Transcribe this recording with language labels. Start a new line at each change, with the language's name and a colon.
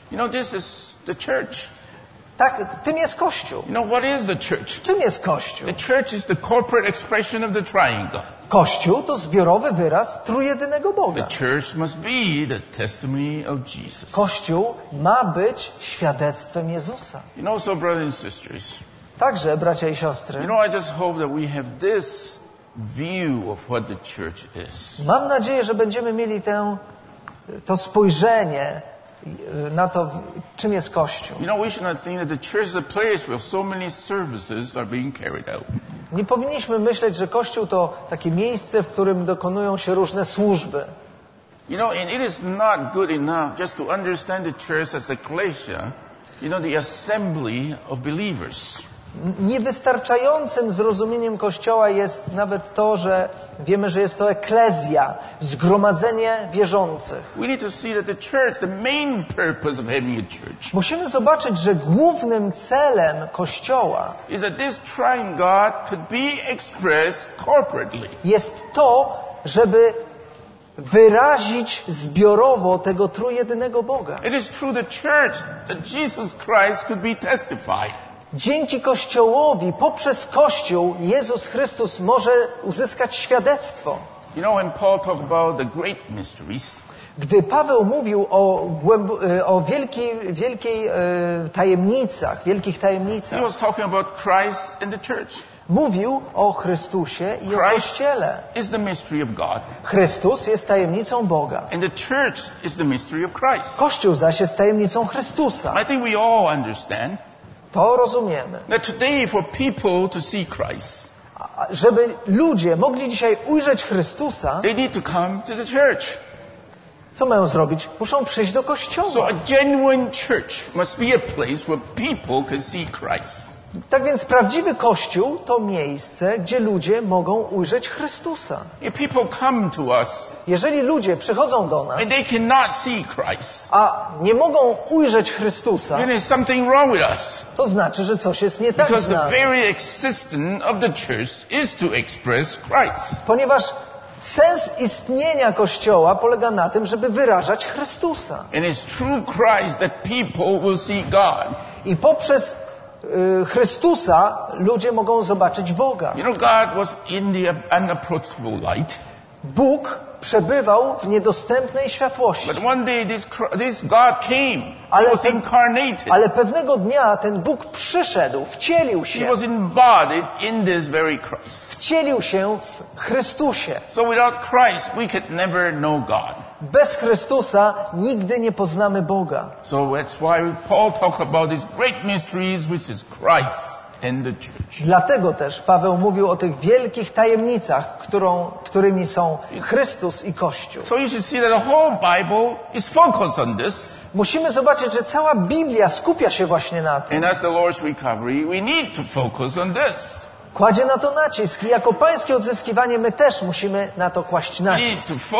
English: You know, this is the church.
Polish: Tak, tym jest Kościół.
English: You know, what is the church?
Polish: Czym jest Kościół?
English: The church is the corporate expression of the triune God.
Polish: Kościół to zbiorowy wyraz trójjedynego Boga.
English: The church must be the testimony of Jesus.
Polish: Kościół ma być świadectwem Jezusa.
English: You know, so brothers and sisters.
Polish: Także bracia i siostry.
English: You know, I just hope that we have this view of what the church is.
Polish: Mam nadzieję, że będziemy mieli to spojrzenie na to, czym jest Kościół.
English: You know, we should not think that the church is a place where so many services are being carried out.
Polish: Nie powinniśmy myśleć, że Kościół to takie miejsce, w którym dokonują się różne służby.
English: You know, and it is not good enough just to understand the church as ecclesia, you know, the assembly of believers.
Polish: Niewystarczającym zrozumieniem Kościoła jest nawet to, że wiemy, że jest to eklezja, zgromadzenie wierzących.
English: We need to see that the church, the main purpose of having a church.
Polish: Musimy zobaczyć, że głównym celem Kościoła
English: is that this triune God could be expressed corporately.
Polish: Jest to, żeby wyrazić zbiorowo tego trójjedynego Boga.
English: It is through the church that Jesus Christ could be testified.
Polish: Dzięki Kościołowi, poprzez Kościół, Jezus Chrystus może uzyskać świadectwo.
English: You know, when Paul talked about the great mysteries,
Polish: gdy Paweł mówił o wielkich tajemnicach,
English: he was talking about Christ and the church.
Polish: Mówił o Chrystusie i
English: Christ
Polish: o Kościele.
English: Is the mystery of God.
Polish: Chrystus jest tajemnicą Boga.
English: And the church is the mystery of Christ.
Polish: Kościół zaś jest tajemnicą Chrystusa.
English: I think we all understand.
Polish: To rozumiemy.
English: That today for people to see Christ,
Polish: żeby ludzie mogli dzisiaj ujrzeć Chrystusa,
English: they need to come to the church.
Polish: Co mają zrobić? Muszą przyjść do Kościoła.
English: So a genuine church must be a place where people can see Christ.
Polish: Tak więc prawdziwy Kościół to miejsce, gdzie ludzie mogą ujrzeć Chrystusa.
English: If people come to us,
Polish: jeżeli ludzie przychodzą do nas,
English: and they cannot see Christ,
Polish: a nie mogą ujrzeć Chrystusa,
English: then there's something wrong with us.
Polish: To znaczy, że coś jest nie tak
English: because
Polish: z nami.
English: The very existence of the church is to express Christ.
Polish: Ponieważ sens istnienia Kościoła polega na tym, żeby wyrażać Chrystusa.
English: And it's through Christ that people will see God.
Polish: I poprzez Chrystusa ludzie mogą zobaczyć Boga.
English: You know, God was in the unapproachable light.
Polish: Bóg przebywał w niedostępnej światłości.
English: But one day this God came. He was incarnated.
Polish: Ale pewnego dnia ten Bóg przyszedł, wcielił się.
English: He was embodied in this very Christ.
Polish: Wcielił się w Chrystusie.
English: So without Christ we could never know God.
Polish: Bez Chrystusa nigdy nie poznamy Boga.
English: So that's why Paul talked about these great mysteries, which is Christ.
Polish: Dlatego też Paweł mówił o tych wielkich tajemnicach, którymi są Chrystus i Kościół.
English: So you should see that the whole Bible is focused on this.
Polish: Musimy zobaczyć, że cała Biblia skupia się właśnie na tym.
English: And as the Lord's recovery, we need to focus on this.
Polish: kładzie na to nacisk. I jako pańskie odzyskiwanie my też musimy na to kłaść nacisk.